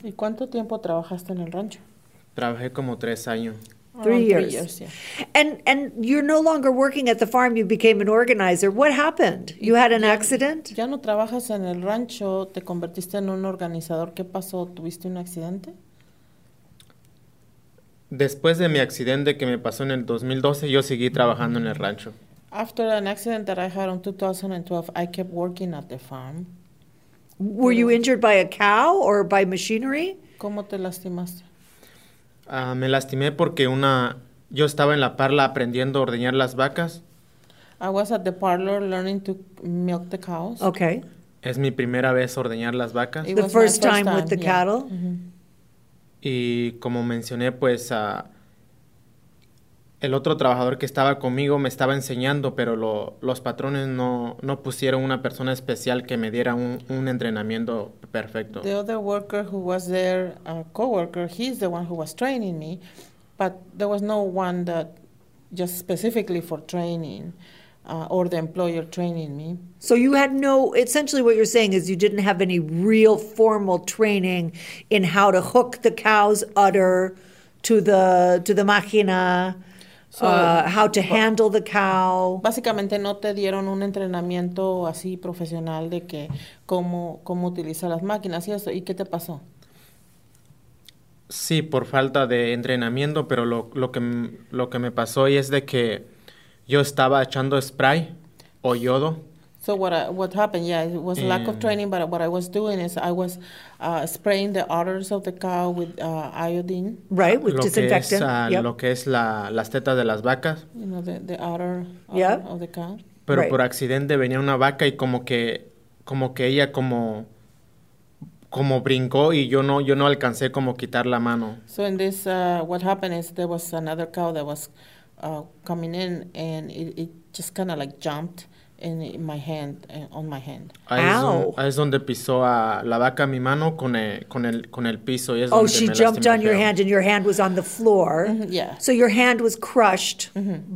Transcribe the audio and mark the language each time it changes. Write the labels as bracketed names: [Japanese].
[Spanish] ¿Y cuánto tiempo trabajaste en el rancho? Trabajé como 3 años. [English] Three years. Yeah. And you're no longer working at the farm. You became an organizer. What happened? You had an accident? [Spanish] Ya no trabajas en el rancho. Te convertiste en un organizador. ¿Qué pasó? ¿Tuviste un accidente? Después de mi accidente que me pasó en el 2012, yo seguí trabajando en el rancho. [English] After an accident that I had in 2012, I kept working at the farm. Were you injured by a cow or by machinery? [Spanish] ¿Cómo te lastimaste? Me lastimé porque yo estaba en la parla aprendiendo a ordeñar las vacas. [English] I was at the parlor learning to milk the cows. Okay. [Spanish] Es mi primera vez ordeñar las vacas. [English] The first time with the cattle. Mm-hmm. [Spanish] Y como mencioné, pues el otro trabajador que estaba conmigo me estaba enseñando, pero los patrones no pusieron una persona especial que me diera un entrenamiento perfecto. [English] The other worker who was there, a coworker, he's the one who was training me, but there was no one that just specifically for training or the employer training me. So you had no, essentially what you're saying is you didn't have any real formal training in how to hook the cow's udder to the máquina. How to handle the cow. [Spanish] Básicamente no te dieron un entrenamiento así profesional de que cómo utilizar las máquinas y eso. ¿Y qué te pasó? Sí, por falta de entrenamiento, pero lo que me pasó y es de que yo estaba echando spray o yodo. [English] So what happened? Yeah, it was lack of training, but what I was doing is I was spraying the udders of the cow with iodine. Right, with disinfectant. [Spanish] Lo que es las tetas de las vacas. [English] You know, the udder of the cow. [Spanish] Pero right. Por accidente venía una vaca y como que ella como brincó y yo no alcancé como quitar la mano. [English] So in this, what happened is there was another cow that was coming in and it just kind of like jumped. On my hand. [Spanish] Ahí es donde pisó a la vaca mi mano con el piso. Y es [English] donde she jumped on your hand and your hand was on the floor. Mm-hmm, yeah. So your hand was crushed mm-hmm.